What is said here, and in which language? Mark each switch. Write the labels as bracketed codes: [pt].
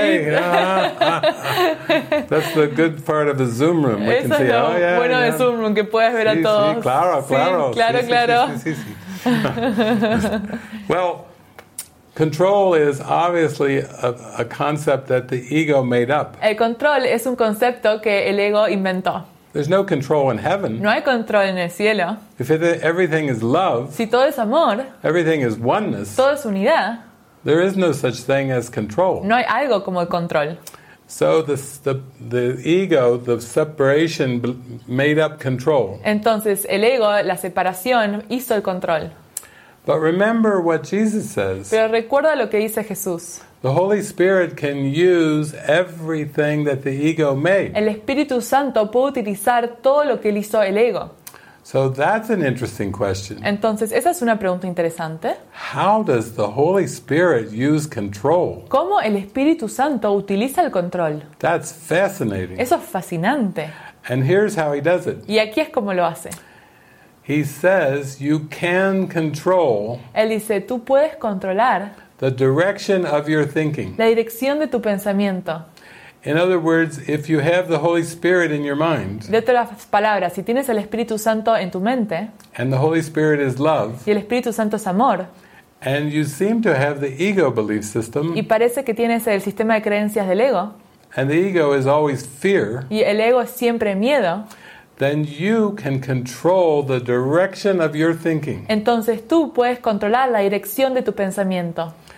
[en] That's the good part of the Zoom room. [es] Eso es lo bueno de Zoom room, que puedes ver sí, a todos. Sí, claro, claro. Sí, claro, sí, claro. Sí. [en] Well, control is obviously a concept that the ego made up. [es] El control es un concepto que el ego inventó. [en] There's no control in heaven. [es] No hay control en el cielo. [en] If everything is love, [es] si todo es amor, [en] everything is oneness, [es] todo es unidad, [en] there is no such thing as control. [es] No hay algo como el control. [en] So the ego, the separation, made up control. [es] Entonces el ego, la separación, hizo el control. [en] But remember what Jesus says. [es] Pero recuerda lo que dice Jesús. [en] The Holy Spirit can use everything that the ego made. [es] El Espíritu Santo puede utilizar todo lo que él hizo el ego. [en] So that's an interesting question. [es] Entonces, esa es una pregunta interesante. [en] How does the Holy Spirit use control? [es] ¿Cómo el Espíritu Santo utiliza el control? [en] That's fascinating. [es] Eso es fascinante. [en] And here's how he does it. [es] Y aquí es como lo hace. [en] He says you can control. [es] Él dice, tú puedes controlar. [en] The direction of your thinking. [es] La dirección de tu pensamiento. [en] In other words, if you have the Holy Spirit in your mind. [es] De otras palabras, si tienes el Espíritu Santo en tu mente. [en] And the Holy Spirit is love. [es] Y el Espíritu Santo es amor. [en] And you seem to have the ego belief system. [es] Y parece que tienes el sistema de creencias del ego. [en] And the ego is always fear. [es] Y el ego es siempre miedo. [en] Then you can control the direction of your thinking. [es] Entonces tú puedes controlar la dirección de tu pensamiento.